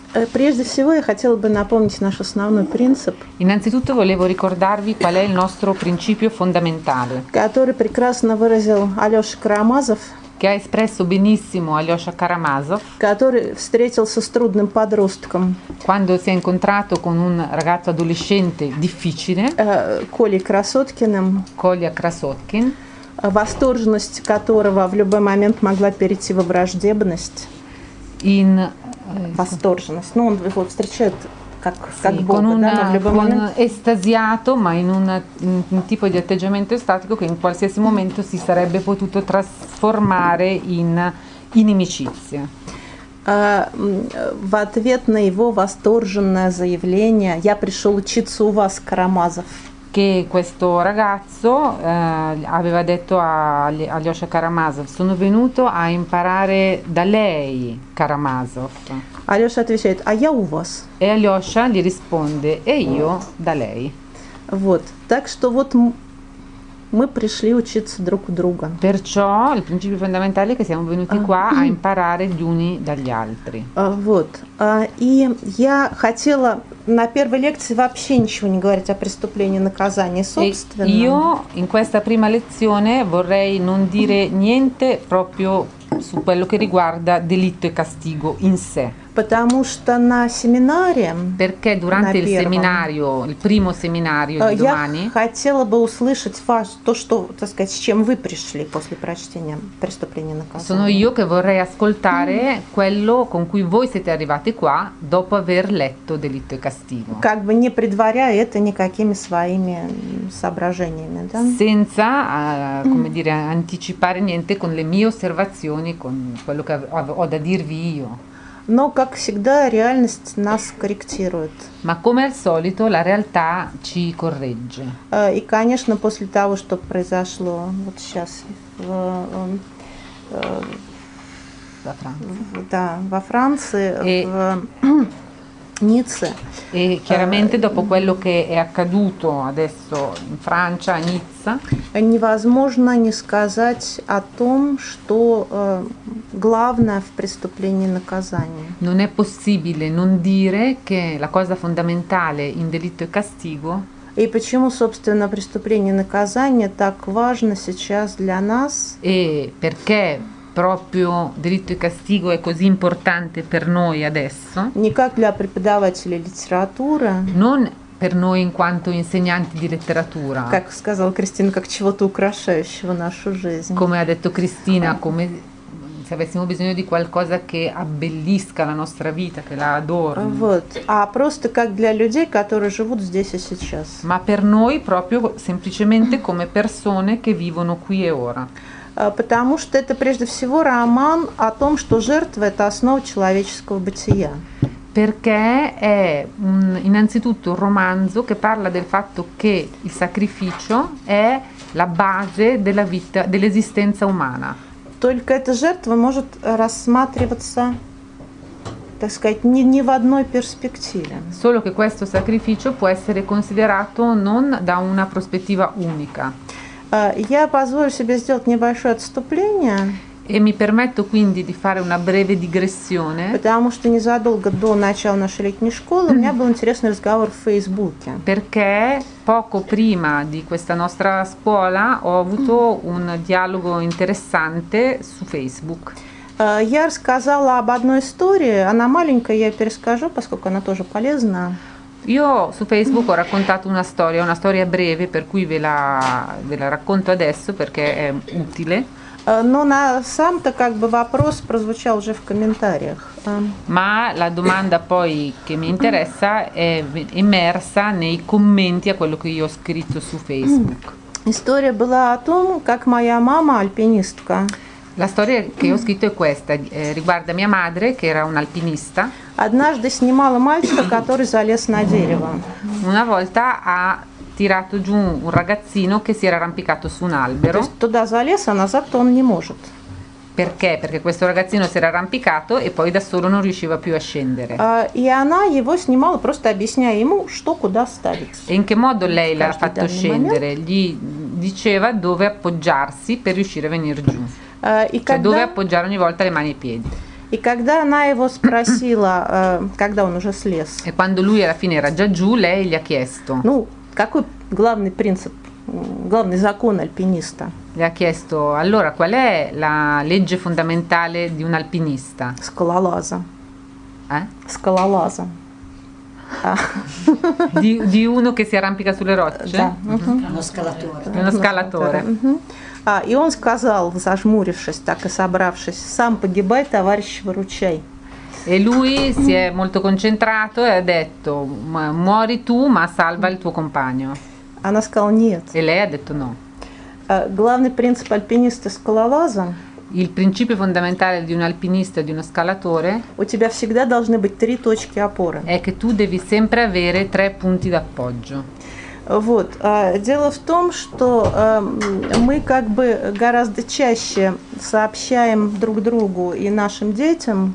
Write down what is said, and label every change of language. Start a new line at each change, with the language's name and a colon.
Russian: Прежде всего я хотела бы напомнить наш основной принцип.
Italian: Innanzitutto volevo ricordarvi qual è il nostro principio fondamentale.
Russian: Который прекрасно выразил Алёша Карамазов.
Italian: Che ha espresso benissimo Алёша Карамазов.
Russian: Который встретился с трудным подростком.
Italian: Quando si è incontrato con un ragazzo adolescente difficile.
Russian: Колей Красоткиным. Коля Красоткин. Восторженность которого в любой момент могла перейти во враждебность.
Italian: In
Russian: восторженность. Ну, он его встречает как,
Italian: sì,
Russian: как Бога,
Italian: una,
Russian: да, но в любой момент.
Italian: Эстазиато, ma in un tipo di atteggiamento estatico che in qualsiasi momento si sarebbe potuto trasformare in inimicizia.
Russian: В ответ на его восторженное заявление «Я пришел учиться у вас, Карамазов».
Italian: Che questo ragazzo aveva detto a Алёша Карамазов: «Sono venuto a imparare da lei, Карамазов».
Russian: Алёша отвечает: «А я у вас».
Italian: E Алёша gli risponde: «E io da lei».
Russian: Вот. Так что вот мы пришли учиться друг у друга.
Italian: Perciò il principio fondamentale è che siamo venuti qua a imparare gli uni dagli altri.
Russian: Вот. И я хотела на первой лекции вообще ничего не говорить о преступлении наказания собственно.
Italian: Io in questa prima lezione vorrei non dire niente proprio su quello che riguarda delitto e castigo in sé.
Russian: Потому что на семинаре,
Italian: perché durante il seminario, il primo seminario di domani,
Russian: я хотела бы услышать вас то, что, так сказать, с чем вы пришли после прочтения преступления наказания.
Italian: Sono io che vorrei ascoltare quello con cui voi siete arrivati qua dopo aver letto delitto e castigo.
Russian: Как бы не предваряя это никакими своими соображениями, да?
Italian: Senza, come dire, anticipare niente con le mie osservazioni, con quello che ho da dirvi io.
Russian: Но, как всегда, реальность нас корректирует.
Italian: Ma come al solito la realtà ci corregge.
Russian: И, конечно, после того, что произошло вот сейчас во Франции, в Ницце.
Italian: E chiaramente dopo quello che è accaduto adesso in Francia, a Nizza.
Russian: Невозможно не сказать о том, что главное в преступлении наказание.
Italian: Non è possibile non dire che la cosa fondamentale in delitto e castigo.
Russian: И почему, собственно, преступление и наказание так важно сейчас для нас? И
Italian: perché proprio diritto e castigo è così importante per noi adesso?
Russian: Не как для преподавателей литературы.
Italian: Non per noi in quanto insegnanti di letteratura.
Russian: Как сказала Кристина, как чего-то украшающего нашу жизнь.
Italian: Come ha detto Cristina, come se avessimo bisogno di qualcosa che abbellisca la nostra vita, che la adorni.
Russian: Вот. А просто как для людей, которые живут здесь и сейчас.
Italian: Ma per noi proprio semplicemente come persone che vivono qui e ora.
Russian: Потому что это прежде всего роман о том, что жертва — это основа человеческого бытия.
Italian: Perché è innanzitutto un romanzo che parla del fatto che il sacrificio è la base della vita, dell'esistenza umana.
Russian: Только эта жертва может рассматриваться, так сказать, не в одной перспективе.
Italian: Solo che questo sacrificio può essere considerato non da una prospettiva unica.
Russian: Я позволю себе сделать небольшое отступление.
Italian: E mi permetto quindi di fare una breve digressione.
Russian: Потому что незадолго до начала нашей летней школы у меня был интересный разговор в Фейсбуке.
Italian: Perché poco prima di questa nostra scuola ho avuto un dialogo interessante su Facebook.
Russian: Я рассказала об одной истории, она маленькая, я перескажу, поскольку она тоже полезна.
Italian: Io su Facebook ho raccontato una storia breve, per cui ve la racconto adesso perché è utile.
Russian: Но на сам-то как бы вопрос прозвучал уже в комментариях.
Italian: Ma la domanda poi che mi interessa è emersa nei commenti a quello che io ho scritto su Facebook.
Russian: История была о том, как моя мама альпинистка.
Italian: La storia che ho scritto è questa, riguarda mia madre che era un alpinista.
Russian: Однажды снимала мальчика, который залез на дерево.
Italian: Una volta ha tirato giù un ragazzino che si era arrampicato su un albero.
Russian: Туда залез, а назад он не может.
Italian: Perché? Perché questo ragazzino si era arrampicato e poi da solo non riusciva più a scendere.
Russian: И она его снимала, просто объясняя ему, что куда ставить.
Italian: E in che modo lei l'ha fatto scendere? Gli diceva dove appoggiarsi per riuscire a venire giù. Dove appoggiare ogni volta le mani e i piedi.
Russian: И когда она его спросила, когда он уже слез.
Italian: E quando lui alla fine era già giù, lei gli ha chiesto.
Russian: Ну, какой главный принцип, главный закон альпиниста?
Italian: Gli ha chiesto, allora, qual è la legge fondamentale di un alpinista?
Russian: Скалолаза. Eh? Скалолаза.
Italian: Di uno che si arrampica sulle rocce?
Russian: Да.
Italian: Uh-huh. Uno scalatore. Uh-huh.
Russian: И он сказал, зажмурившись, так и собравшись, сам погибай, товарищ, выручай.
Italian: E lui si è molto concentrato e ha detto: muori tu, ma salva il tuo compagno.
Russian: Она сказала нет.
Italian: E lei ha detto no.
Russian: Главный принцип альпиниста скалолаза.
Italian: Il principio fondamentale di un alpinista e di uno scalatore.
Russian: У тебя всегда должны быть три точки опоры.
Italian: È che tu devi sempre avere tre punti d'appoggio.
Russian: Вот. Дело в том, что мы как бы гораздо чаще сообщаем друг другу и нашим детям.